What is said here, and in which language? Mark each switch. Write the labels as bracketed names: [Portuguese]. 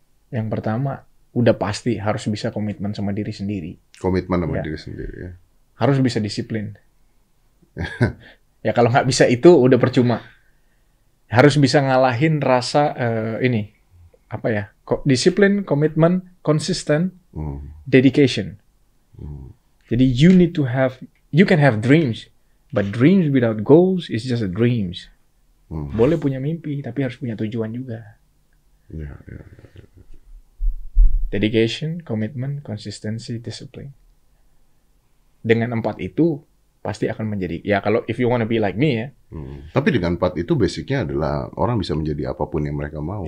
[Indonesian] Yang pertama, udah pasti harus bisa komitmen sama diri sendiri. Komitmen sama diri sendiri ya. Harus bisa disiplin. Ya kalau nggak bisa itu udah percuma. Harus bisa ngalahin rasa ini apa ya? Disiplin, komitmen, konsisten, dedication. Jadi [English] you need to have, you can have dreams, but dreams without goals is just a dreams. [Indonesian] Boleh punya mimpi, tapi harus punya tujuan juga. [English] Yeah. Dedication, commitment, consistency, discipline. [Indonesian] Dengan empat itu, pasti akan menjadi, ya kalau [English] if you wanna be like me [Indonesian] ya. Tapi dengan empat itu, basicnya adalah orang bisa menjadi apapun yang mereka mau.